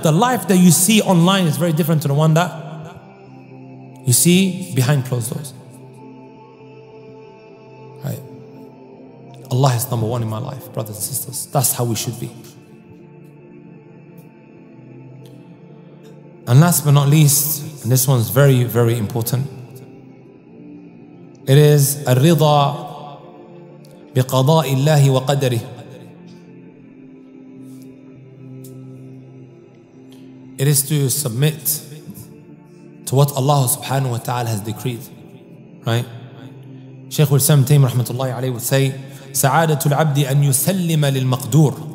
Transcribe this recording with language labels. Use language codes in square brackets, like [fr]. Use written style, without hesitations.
[en] The life that you see online is very different to the one that you see behind closed doors. Right? Allah is number one in my life, brothers and sisters. That's how we should be. And last but not least, and this one's very, very important. It is [ar] الرِّضَى بِقَضَاءِ اللَّهِ وَقَدَرِهِ. [en] It is to submit to what Allah subhanahu wa ta'ala has decreed. Right? Shaykh al-Islam Taymiyyah rahmatullahi alayhi would say, [ar] سَعَادَةُ الْعَبْدِ أَنْ يُسَلِّمَ لِلْمَقْدُورِ.